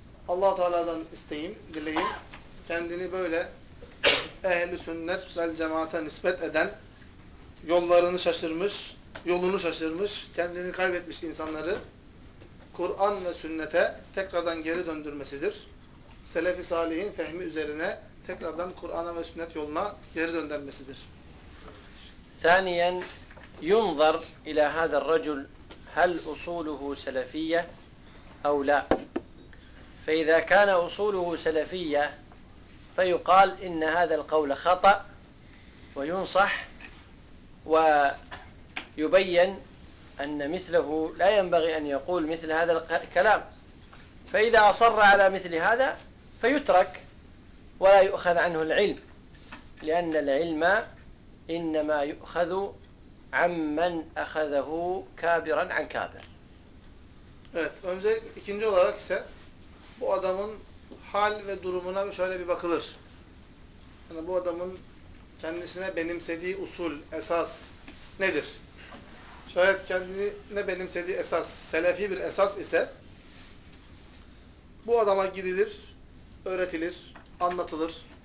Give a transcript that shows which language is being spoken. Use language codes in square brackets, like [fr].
[tr] Allah Teala'dan isteyin, dileyin. Kendini böyle ehli sünnet vel cemaate nispet eden, yollarını şaşırmış, yolunu şaşırmış, kendini kaybetmiş insanları Kur'an ve sünnete tekrardan geri döndürmesidir. Selefi salihin fehmi üzerine tekrardan Kur'an'a ve sünnet yoluna geri döndürmesidir. [ar] Saniyen yunzar ila hadar racul هل أصوله سلفية أو لا؟ فإذا كان أصوله سلفية فيقال إن هذا القول خطأ وينصح ويبين أن مثله لا ينبغي أن يقول مثل هذا الكلام، فإذا أصر على مثل هذا فيترك ولا يؤخذ عنه العلم، لأن العلم إنما يؤخذ عمن أخذه كابرا عن كابر. [tr] Evet, önce ikinci olarak ise bu adamın hal ve durumuna şöyle bir bakılır. Yani bu adamın kendisine benimsediği usul, esas nedir? Şayet kendine benimsediği esas selefi bir esas ise bu adama gidilir, öğretilir, anlatılır.